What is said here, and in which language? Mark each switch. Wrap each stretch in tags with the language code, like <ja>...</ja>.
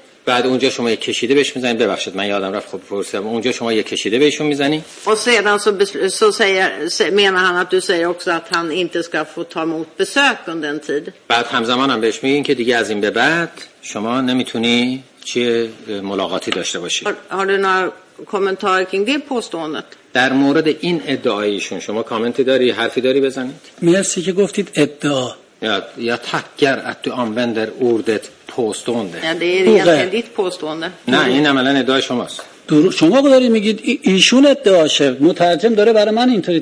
<fa>بعد اونجا شما یک کشیده بهش میزنید. ببخشید من یادم رفت، خب پرسیدم. اونجا شما یک کشیده بهشون میزنید.</fa> <sv>Och sedan så säger menar han att du säger också att han inte ska få ta emot besök under en tid.</sv> <fa>بعد همزمان هم بهش میگین که دیگه از این به بعد شما نمیتونی چه ملاقاتی داشته باشی.</fa> <sv>Har du några kommentarer kring det påståendet?</sv> <fa>در مورد این ادعایشون شما کامنتی داری، حرفی داری بزنید؟ مرسی که گفتید ادعا.</fa> <sv>Ja, jag tackar att du använder ordet påstående. Ja, det är egentligen ditt påstående. Nej, innan mellan idag är det som oss. Du har ju sagt att det är man inte</sv>